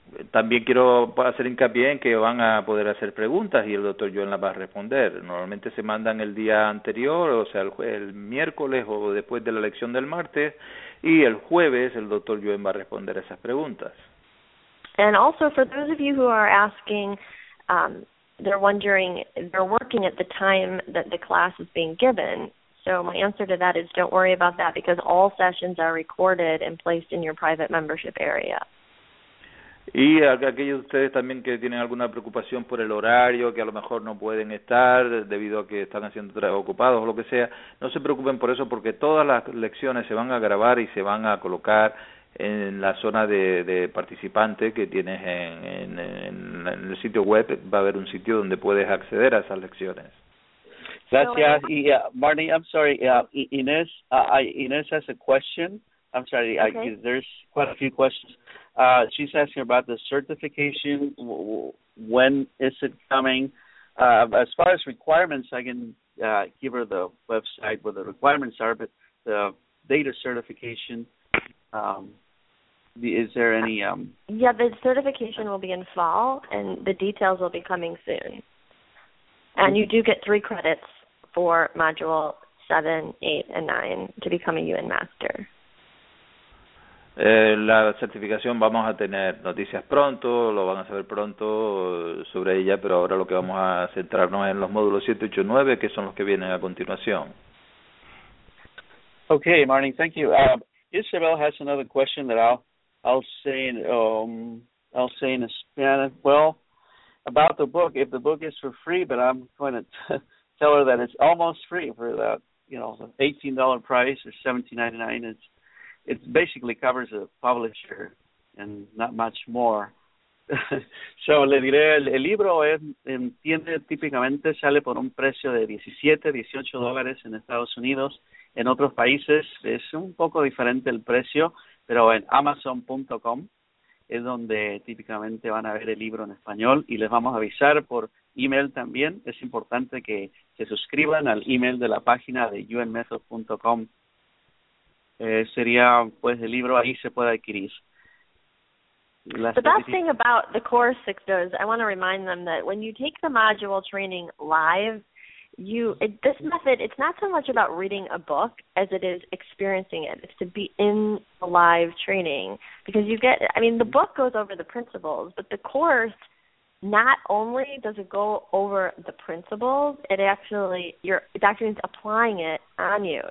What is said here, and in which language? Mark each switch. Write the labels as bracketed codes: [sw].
[es] También quiero hacer hincapié en que van a poder hacer preguntas y el doctor Yuen las va a responder. Normalmente se mandan el día anterior, o sea, el miércoles o después de la lección del martes, y el jueves el doctor Yuen va a responder esas preguntas. [en] And also, for those of you who are asking, they're wondering, they're working at the time that the class is being given. So my answer to that is don't worry about that because all sessions are recorded and placed in your private membership area. [es] Y aquellos de ustedes también que tienen alguna preocupación por el horario, que a lo mejor no pueden estar debido a que están siendo ocupados o lo que sea, no se preocupen por eso porque todas las lecciones se van a grabar y se van a colocar en la zona de participantes que tienes en el sitio web. Va a haber un sitio donde puedes acceder a esas lecciones. Gracias. Y [en] Marnie, I'm sorry. Inés has a question. I'm sorry. Okay. There's quite a few questions. She's asking about the certification. When is it coming? As far as requirements, I can give her the website where the requirements are, but the data certification, is there any... Yeah, the certification will be in fall, and the details will be coming soon. And you do get 3 credits for module 7, 8, and 9 to become a UN Master. [es] La certificación vamos a tener noticias pronto, lo van a saber pronto sobre ella, pero ahora lo que vamos a centrarnos en los módulos 7, 8, 9, que son los que vienen a continuación. [en] Okay, Marnie, thank you. Isabel has another question that I'll say in Spanish. Well, about the book, if the book is for free, but I'm going to tell her that it's almost free for that, you know, the $18 price or $17.99. It basically covers a publisher and not much more. [es] So, le diré, el libro entiende típicamente sale por un precio de $17, $18 en Estados Unidos. En otros países es un poco diferente el precio, pero en Amazon.com es donde típicamente van a ver el libro en español y les vamos a avisar por email también. Es importante que se suscriban al email de la página de unmethod.com. Sería, pues, el libro ahí se puede adquirir. [en] The best thing about the course, Sixtos, I want to remind them that when you take the module training live, this method, it's not so much about reading a book as it is experiencing it. It's to be in the live training because you get, I mean, the book goes over the principles, but the course, not only does it go over the principles, it actually, your document's applying it on you.